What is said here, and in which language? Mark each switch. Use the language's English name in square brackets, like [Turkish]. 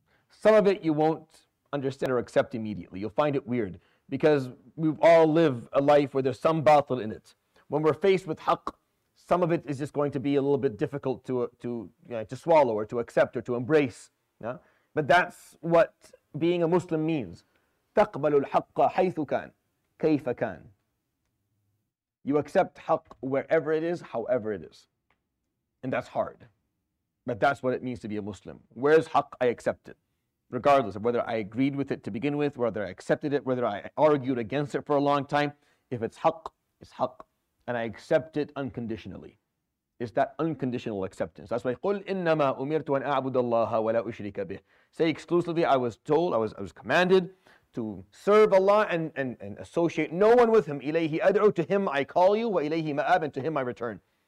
[English] Some of it you won't understand or accept immediately. You'll find it weird, because we all live a life where there's some batil in it. When we're faced with haq, some of it is just going to be a little bit difficult to swallow or to accept or to embrace. Yeah? But that's what being a Muslim means. [Arabic] تقبل الحق حيث كان كيف كان. [English] You accept haq wherever it is, however it is. And that's hard. But that's what it means to be a Muslim. Where's haq? I accept it. Regardless of whether I agreed with it to begin with, whether I accepted it, whether I argued against it for a long time. If it's haq, it's haq. And I accept it unconditionally. It's that unconditional acceptance. That's why [Arabic] قل إنما أمرت أن أعبد الله ولا أشرك به. [English] Say exclusively, I was commanded to serve Allah and associate no one with Him. [Arabic] إليه أدعو, [English] to Him I call you, [Arabic] وإليه مآب, [English] and to Him I return.